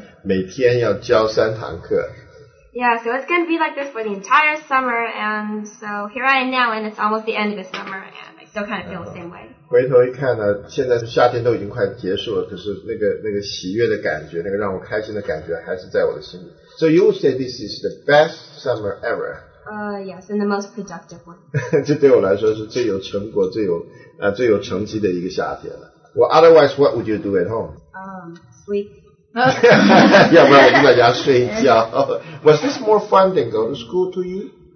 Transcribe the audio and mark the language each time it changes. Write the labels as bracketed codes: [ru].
[zh] 然后我一面心里面在想说，啊，这就是我今年的夏天，我一个礼拜每天要教3堂课。 [en] Yeah, so it's going to be like this for the entire summer, and so here I am now, and it's almost the end of the summer, and I still kind of feel the same way. [zh] 回头一看呢，现在夏天都已经快结束了，可是那个喜悦的感觉，那个让我开心的感觉还是在我的心里。 [en] So you would say this is the best summer ever? Yes, and the most productive one. [zh] 这对我来说是最有成果、最有成绩的一个夏天了。 [en] Well, otherwise, what would you do at home? Sleep. [zh] 要不然我就在家睡觉。 [en] Was this more fun than go to school to you?